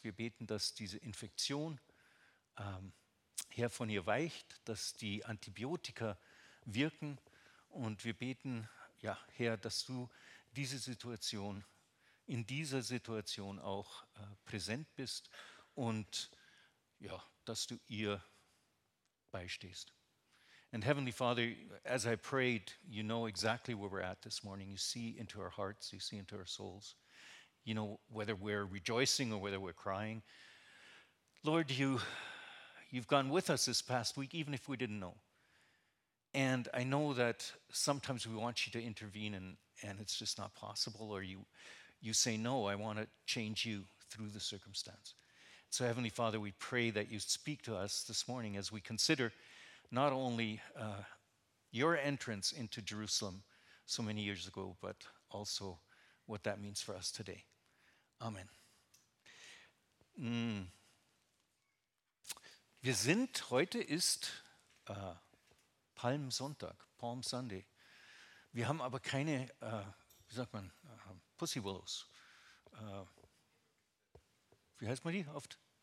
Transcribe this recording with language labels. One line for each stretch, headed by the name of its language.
German: Wir beten, dass diese Infektion Herr, von ihr weicht, dass die Antibiotika wirken. Und wir beten, ja, Herr, dass du diese Situation, in dieser Situation auch präsent bist und ja, dass du ihr beistehst.
English: And Heavenly Father, as I prayed, you know exactly where we're at this morning. You see into our hearts, you see into our souls. You know whether we're rejoicing or whether we're crying. Lord, you've gone with us this past week, even if we didn't know. And I know that sometimes we want you to intervene and it's just not possible, or you say, no, I want to change you through the circumstance. So Heavenly Father, we pray that you speak to us this morning as we consider not only your entrance into Jerusalem so many years ago, but also what that means for us today. Amen.
German: Wir sind, heute ist Palmsonntag, Palm Sunday. Wir haben aber keine, wie sagt man, Pussy Willows. Wie heißt man die oft?